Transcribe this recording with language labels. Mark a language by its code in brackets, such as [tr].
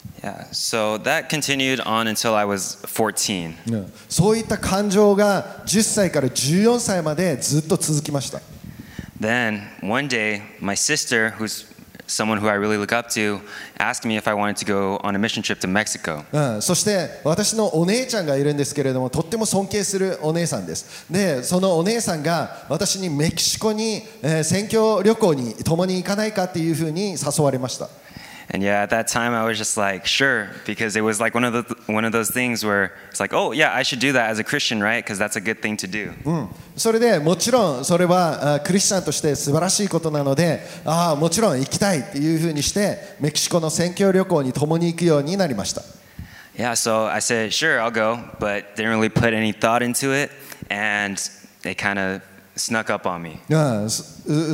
[en] Yeah, so that continued on until I was 14. [ja] そういった感情が10歳から14歳までずっと続きました。 [en] Then one day, my sister, who's someone who I really look up to, asked me if I wanted to go on a mission trip to Mexico. [ja] そして私のお姉ちゃんがいるんですけれども、とっても尊敬するお姉さんです。で、そのお姉さんが私にメキシコに宣教旅行に共に行かないかっていうふうに誘われました。 [en] And yeah, at that time I was just like, sure, because it was like one of those things where it's like, oh yeah, I should do that as a Christian, right? Because that's a good thing to do. [ja] それでもちろんそれはクリスチャンとして素晴らしいことなので、ああもちろん行きたいっていうふうにしてメキシコの宣教旅行に共に行くようになりました。 [en] Yeah, so I said, sure, I'll go, but didn't really put any thought into it, and it kind of snuck up on me.